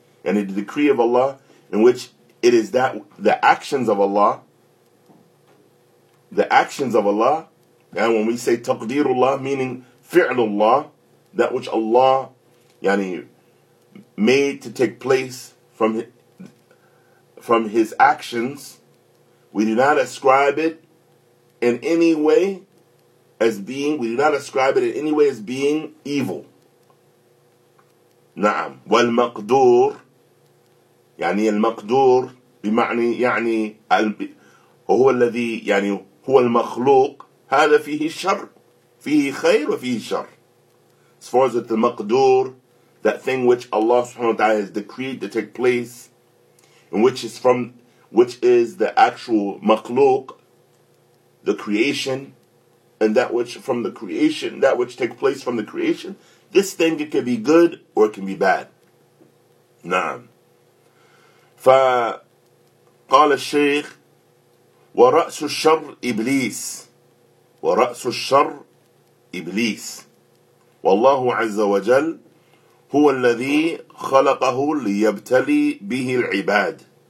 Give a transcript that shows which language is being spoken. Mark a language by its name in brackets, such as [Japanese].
[English] Yani the decree of Allah, in which it is that the actions of Allah, the actions of Allah, and when we say taqdeerullah, meaning fi'lullah, that which Allah, yani, made to take place from His actions, we do not ascribe it in any way as being, we do not ascribe it in any way as being evil. [Arabic] Na'am. Wal maqdoor, yani al maqdoor, بمعنى يعني هو الذي يعني هو المخلوق هذا فيه شر فيه خير وفيه شر. [English] As far as the maqdur, that thing which Allah subhanahu wa ta'ala has decreed to take place, and which is from, which is the actual makhluq, the creation, and that which from the creation, that which takes place from the creation, this thing, it can be good or it can be bad. [Arabic] نعم. قال الشيخ ورأس الشر إبليس ورأس الشر إبليس والله عز وجل هو الذي خلقه ليبتلي به العباد.